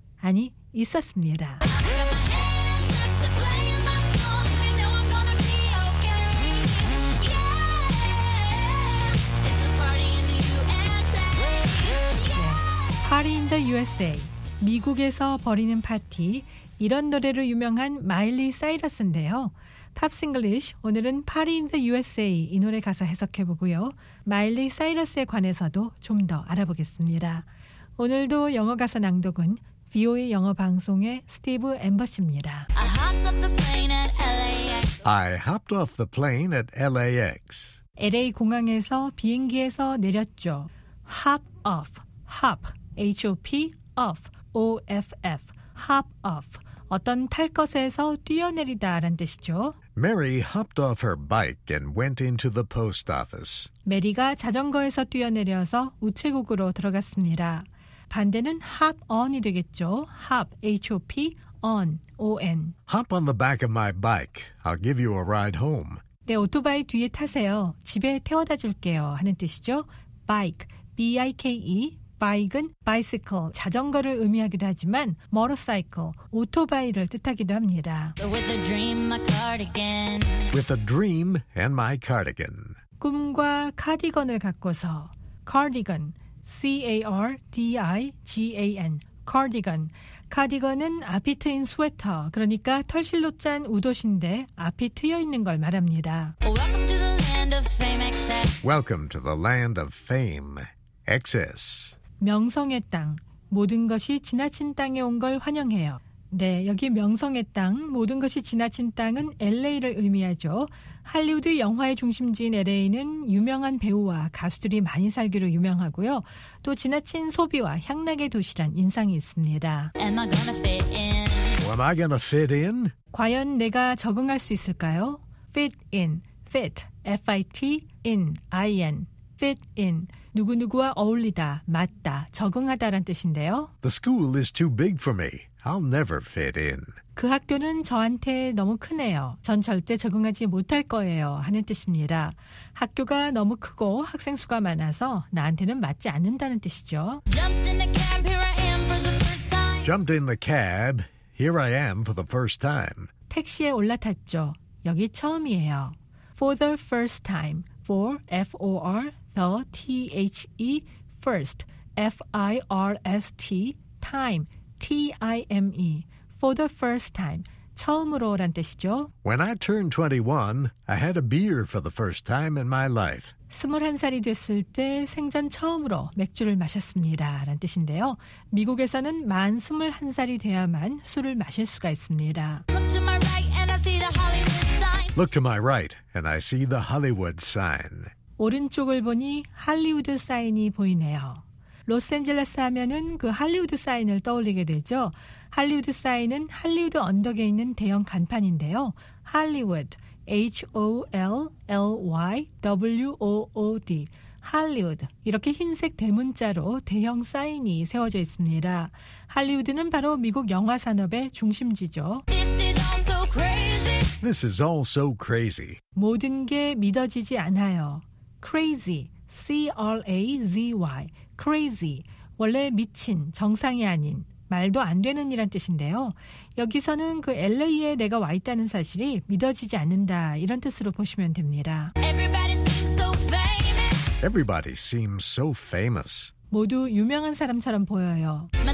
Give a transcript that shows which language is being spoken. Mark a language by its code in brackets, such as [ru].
[ko] 아니, 있었습니다. 파티 인 더 USA, 미국에서 벌이는 파티, 이런 노래로 유명한 마일리 사이러스인데요. 팝스 잉글리쉬, 오늘은 파티 인 더 USA 이 노래 가사 해석해보고요. 마일리 사이러스에 관해서도 좀 더 알아보겠습니다. 오늘도 영어 가사 낭독은 VOA 영어 방송의 스티브 앰버시입니다. [en] I hopped off the plane at LAX. [ko] LA 공항에서 비행기에서 내렸죠. [en] Hop off, hop. H-O-P, off, O-F-F, hop off. [ko] 어떤 탈 것에서 뛰어내리다 라는 뜻이죠. [en] Mary hopped off her bike and went into the post office. [ko] 메리가 자전거에서 뛰어내려서 우체국으로 들어갔습니다. 반대는 [en] hop on [ko] 이 되겠죠. [en] Hop, H-O-P, on, O-N. Hop on the back of my bike. I'll give you a ride home. [ko] 네, 오토바이 뒤에 타세요. 집에 태워다 줄게요 하는 뜻이죠. [en] Bike, B-I-K-E. [ko] Bike은 bicycle, 자전거를 의미하기도 하지만 motorcycle, 오토바이를 뜻하기도 합니다. [en] With a dream, my cardigan. With a dream and my cardigan. [ko] 꿈과 카디건을 갖고서 cardigan, C-A-R-D-I-G-A-N, cardigan. 카디건은 앞이 트인 스웨터, 그러니까 털실로 짠 우도신데 앞이 트여 있는 걸 말합니다. [en] Welcome to the land of fame, excess. Welcome to the land of fame, excess. [ko] 명성의 땅, 모든 것이 지나친 땅에 온 걸 환영해요. 네, 여기 명성의 땅, 모든 것이 지나친 땅은 LA를 의미하죠. 할리우드 영화의 중심지인 LA는 유명한 배우와 가수들이 많이 살기로 유명하고요. 또 지나친 소비와 향락의 도시란 인상이 있습니다. [en] Am I gonna fit in? Am I gonna fit in? [ko] 과연 내가 적응할 수 있을까요? [en] Fit in, fit, F-I-T, in, I-N, fit in. [ko] 누구누구와 어울리다, 맞다, 적응하다란 뜻인데요. [en] The school is too big for me. I'll never fit in. [ko] 그 학교는 저한테 너무 크네요. 전 절대 적응하지 못할 거예요 하는 뜻입니다. 학교가 너무 크고 학생 수가 많아서 나한테는 맞지 않는다는 뜻이죠. [en] Jumped in the cab, here I am for the first time. Jumped in the cab, here I am for the first time. [ko] 택시에 올라탔죠. 여기 처음이에요. [en] For the first time. For, F-O-R. The, T-H-E, first, F-I-R-S-T, time, T-I-M-E, for the first time, [ko] 처음으로란 뜻이죠. [en] When I turned 21, I had a beer for the first time in my life. [ko] 21살이 됐을 때 생전 처음으로 맥주를 마셨습니다. 라는 뜻인데요. 미국에서는 만 21살이 되어야만 술을 마실 수가 있습니다. [en] Look to my right and I see the Hollywood sign. Look to my right and I see the Hollywood sign. [ko] 오른쪽을 보니 할리우드 사인이 보이네요. 로스앤젤레스 하면은 그 할리우드 사인을 떠올리게 되죠. 할리우드 사인은 할리우드 언덕에 있는 대형 간판인데요. 할리우드, H-O-L-L-Y-W-O-O-D, 할리우드 이렇게 흰색 대문자로 대형 사인이 세워져 있습니다. 할리우드는 바로 미국 영화 산업의 중심지죠. [en] This is all so crazy. This is all so crazy. [ko] 모든 게 믿어지지 않아요. Crazy, C-R-A-Z-Y, crazy, 원래 미친, 정상이 아닌, 말도 안 되는 이란 뜻인데요. 여기서는 그 LA에 내가 와 있다는 사실이 믿어지지 않는다, 이런 뜻으로 보시면 됩니다. [en] Everybody seems so famous. Everybody seems so famous. [ko] 모두 유명한 사람처럼 보여요.